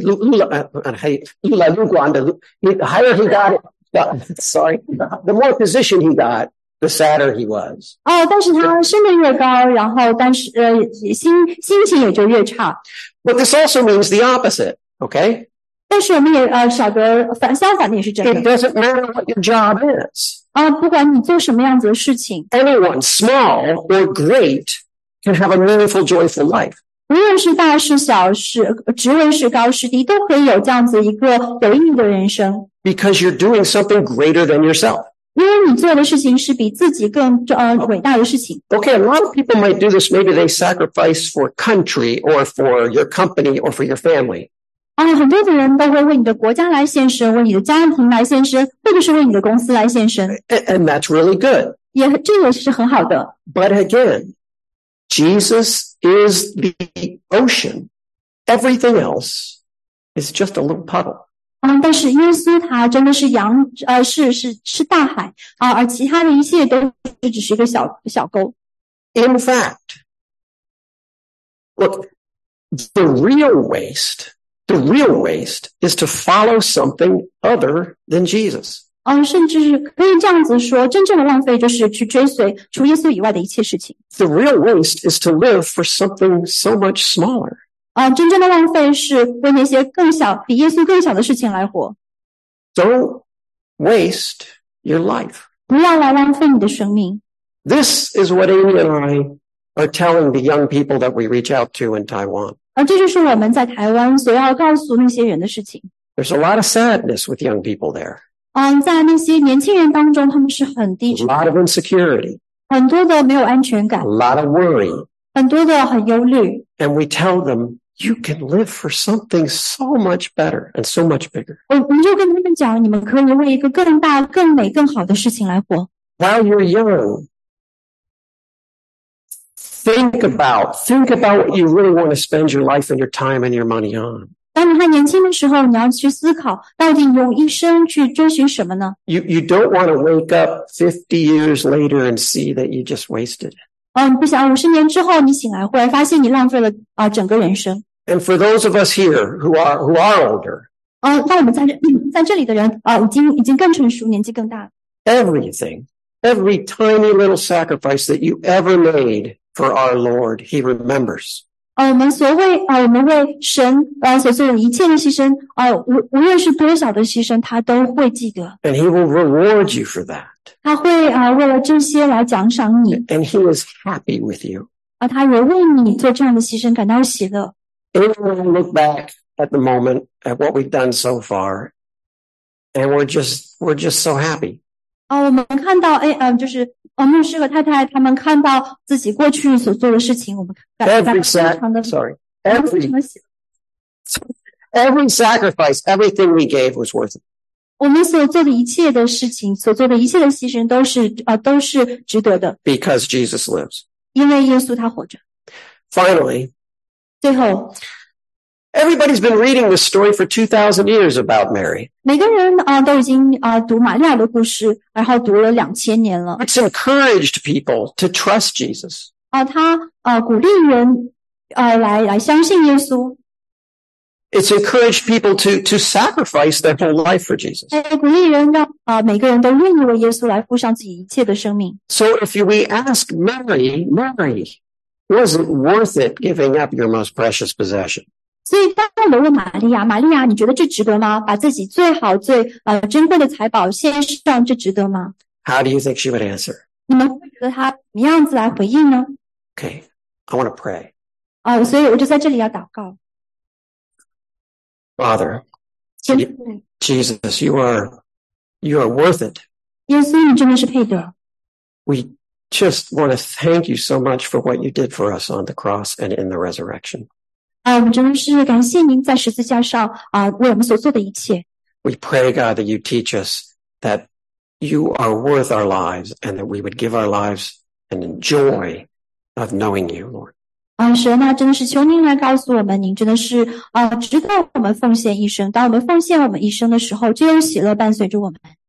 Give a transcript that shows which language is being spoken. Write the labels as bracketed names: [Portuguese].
[English] The higher he got the more position he got, the sadder he was. [Chinese] 但是他升得越高然后但是心情也就越差。 [English] But this also means the opposite, okay? [Chinese] 但是我们也晓得相反也是真的。 [English] It doesn't matter what your job is. [Chinese] 不管你做什么样子的事情。 [English] Anyone, small or great, can have a meaningful, joyful life. [Chinese] 无论是大是小是职位是高是低都可以有这样子一个有意义的人生。 [English] Because you're doing something greater than yourself. [Chinese] 因为你做的事情是比自己更伟大的事情。 [English] Okay, a lot of people might do this, maybe they sacrifice for country or for your company or for your family. [Chinese] 很多的人都会为你的国家来献身为你的家庭来献身或者是为你的公司来献身。 [English] And that's really good. [Chinese] 这个是很好的。 [English] But again,Jesus is the ocean. Everything else is just a little puddle. [Chinese] 但是耶稣他真的是洋是大海而其他的一切都是只是一个小沟。 [English] In fact, look, the real waste is to follow something other than Jesus. [Chinese] 甚至可以这样子说真正的浪费就是去追随除耶稣以外的一切事情。 [English] The real waste is to live for something so much smaller. [Chinese] 真正的浪费是为那些更小比耶稣更小的事情来活。 [English] Don't waste your life. [Chinese] 不要来浪费你的生命。 [English] This is what Amy and I are telling the young people that we reach out to in Taiwan. [Chinese] 这就是我们在台湾所要告诉那些人的事情。 [English] There's a lot of sadness with young people there. [Chinese] 在那些年轻人当中他们是很低沉 [English] A lot of insecurity. [Chinese] 很多的没有安全感 [English] A lot of worry. [Chinese] 很多的很忧虑 [English] And we tell them, You can live for something so much better and so much bigger. [Chinese] 我们就跟他们讲，你们可以为一个更大、更美、更好的事情来活。 [English] While you're young, think about what you really want to spend your life and your time and your money on. [Chinese] 当你还年轻的时候，你要去思考，到底用一生去追寻什么呢？ [English] You don't want to wake up 50 years later and see that you just wasted it. [Chinese] 不想五十年之后你醒来会发现你浪费了整个人生。 [English] And for those of us here who are older, [Chinese] 当我们在这里的人已经更成熟，年纪更大。 [English] Everything, every tiny little sacrifice that you ever made for our Lord, He remembers. [Chinese] 我们为神所做的一切的牺牲无论是多少的牺牲他都会记得。 [English] And He will reward you for that. [Chinese] 他会为了这些来奖赏你。 [English] And he is happy with you. [Chinese] 他也为你做这样的牺牲感到喜乐。 [English] And we look back at the moment at what we've done so far, and we're just so happy. [Chinese] 我们看到牧师和太太他们看到自己过去所做的事情，我们 [English] Every sacrifice, everything we gave was worth it. [Chinese] 我们所做的一切的事情，所做的一切的牺牲都是值得的。 [English] Because Jesus lives. [Chinese] 因为耶稣他活着。 [English] Finally. [Chinese] 最后。 [English] Everybody's been reading this story for 2,000 years about Mary. [Chinese] 每个人都已经读玛利亚的故事，然后读了2000年了。 [English] It's encouraged people to trust Jesus. [Chinese] 他鼓励人来相信耶稣。 [English] It's encouraged people to sacrifice their whole life for Jesus. [Chinese] 鼓励人让每个人都愿意为耶稣来付上自己一切的生命。 [English] So if we ask Mary, was it worth it giving up your most precious possession? [Chinese] 所以当我们问玛利亚，你觉得这值得吗？把自己最好最珍贵的财宝献上，这值得吗？ [English] How do you think she would answer? [Chinese] 你们会觉得她怎么样子来回应呢？ [English] Okay, I want to pray. [Chinese] 所以我就在这里要祷告。 [English] Father, Jesus, you are worth it. [Chinese] 耶稣，你真的是配得。 [English] We just want to thank you so much for what you did for us on the cross and in the resurrection. [Chinese] 我们真的是感谢您在十字架上为我们所做的一切。 [English] We pray, God, that you teach us that you are worth our lives and that we would give our lives and enjoy of knowing you, Lord. [Chinese] 神啊，真的是求您来告诉我们，您真的是值得我们奉献一生。当我们奉献我们一生的时候，就有喜乐伴随着我们。